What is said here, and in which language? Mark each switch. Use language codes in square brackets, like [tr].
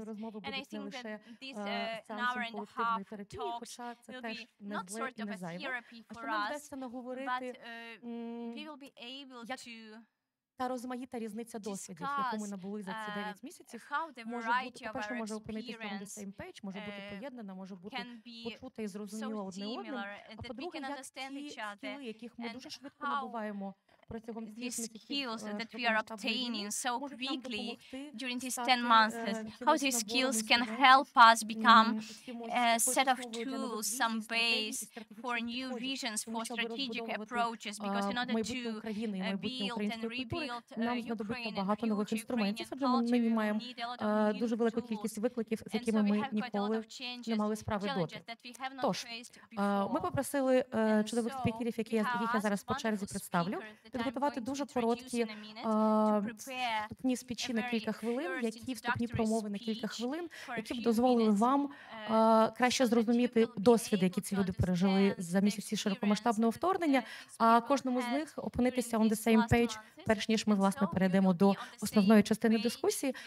[en] And I think that this an hour and a half talk will be not sort of a therapy for us, but we will be able to [uk] та розмаїта різниця досвідів, яку ми набули за ці 9 місяців, може бути, по-перше, може опинитися на [en] same page, [uk] може бути поєднана, може бути почута і зрозуміла одне одним, а по-друге, як ті скіли, яких ми дуже швидко набуваємо протягом цих [en] skills that we are obtaining so quickly during these 10 months, how these skills can help us become a set of tools, some base for new visions, for strategic approaches, because in order to build and rebuild [uk] нам знадобиться багато нових інструментів, адже ми маємо дуже велику кількість викликів, з якими ми ніколи не мали справи доти. Тож, ми попросили чудових спікерів, яких я зараз по черзі представлю, підготувати дуже короткі вступні спічі на кілька хвилин, які вступні промови на кілька хвилин, які б дозволили вам краще зрозуміти досвід, які ці люди пережили за місяці широкомасштабного вторгнення, а кожному з них опинитися [en] on the same page, [uk] перш ніж ми, власне, перейдемо до основної частини дискусії.